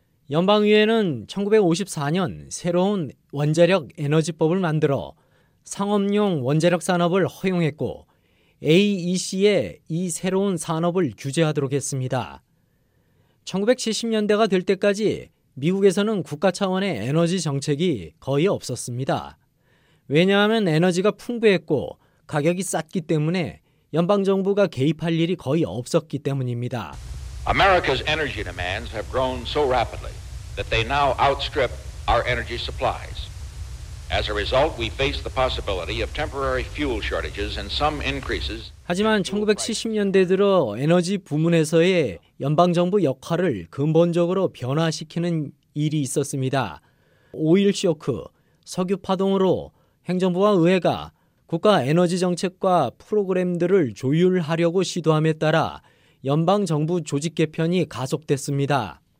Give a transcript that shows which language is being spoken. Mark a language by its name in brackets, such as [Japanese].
[Korean] 연방의회는 1954년 새로운 원자력 에너지법을 만들어 상업용 원자력 산업을 허용했고 AEC에 이 새로운 산업을 규제하도록 했습니다. 1970년대가 될 때까지 미국에서는 국가 차원의 에너지 정책이 거의 없었습니다. 왜냐하면 에너지가 풍부했고 가격이 쌌기 때문에 연방정부가 개입할 일이 거의 없었기 때문입니다. [English] America's energy demands have grown so rapidly that they now outstrip our energy supplies. As a result, we face the possibility of temporary fuel shortages and some increases. [Korean] 하지만 1970년대 들어 에너지 부문에서의 연방정부 역할을 근본적으로 변화시키는 일이 있었습니다. 오일 쇼크, 석유 파동으로 행정부와 의회가 국가 에너지 정책과 프로그램들을 조율하려고 시도함에 따라 연방정부 조직 개편이 가속됐습니다.